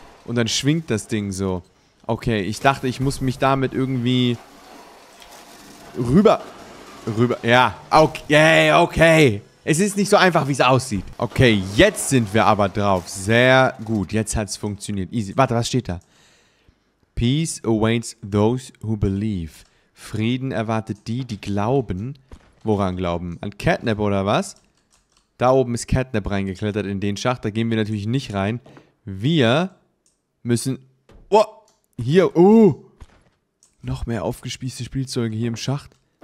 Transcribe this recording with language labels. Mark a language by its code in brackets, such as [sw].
[de] Und dann schwingt das Ding so. Okay, ich dachte, ich muss mich damit irgendwie... Rüber. Ja, okay. Es ist nicht so einfach, wie es aussieht. Okay, jetzt sind wir aber drauf. Sehr gut, jetzt hat es funktioniert. Easy. Warte, was steht da? [en] Peace awaits those who believe. [de] Frieden erwartet die, die glauben. Woran glauben? An Catnap oder was? Da oben ist Catnap reingeklettert in den Schacht. Da gehen wir natürlich nicht rein. Wir müssen... Oh, hier. Oh, noch mehr aufgespießte Spielzeuge hier im Schacht.